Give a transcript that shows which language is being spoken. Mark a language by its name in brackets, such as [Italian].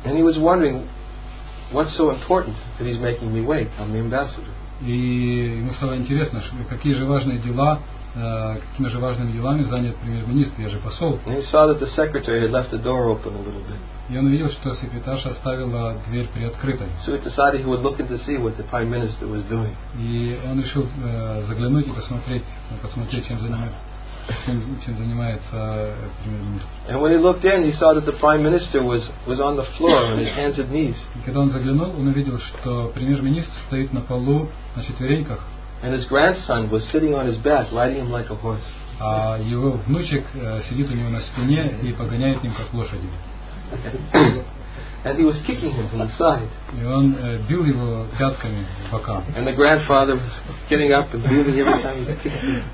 [English] And he was wondering what's so important that he's making me wait. I'm the ambassador. [Russian] И ему стало интересно, какие же важные дела. Какими же важными делами занят премьер-министр, я же посол. И он увидел, что секретарша оставила дверь приоткрытой. И он решил заглянуть и посмотреть, чем занимается премьер-министр. И когда он заглянул, он увидел, что премьер-министр стоит на полу на четвереньках. [English] And his grandson was sitting on his back, riding him like a horse. [Russian] А его внучек сидит у него на спине и погоняет им как лошади. [English] And he was kicking him from the side. [Russian] И он бил его пятками по бокам. [English] And the grandfather was getting up and beating him every time he kicked him.